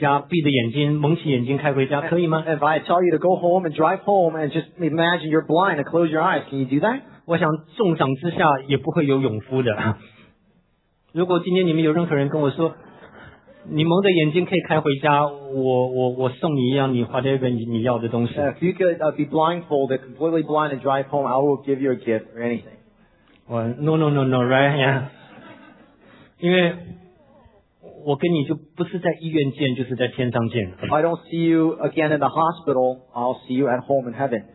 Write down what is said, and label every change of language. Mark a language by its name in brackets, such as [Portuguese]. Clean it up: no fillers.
[Chinese] 例如说我要你现在出去开车回家，闭着眼睛，蒙起眼睛开回家，可以吗？ [English] If I tell you to go home and drive home and just imagine you're blind and close your eyes, can you do that? [Chinese] 我想重赏之下也不会有勇夫的。如果今天你们有任何人跟我说，你蒙着眼睛可以开回家，我送你一样你花的一个你要的东西。 [English] If you could be blindfolded, completely blind and drive home, I will give you a gift or anything. Well, no, right? Yeah. I don't see you again in the hospital, I'll see you at home in heaven.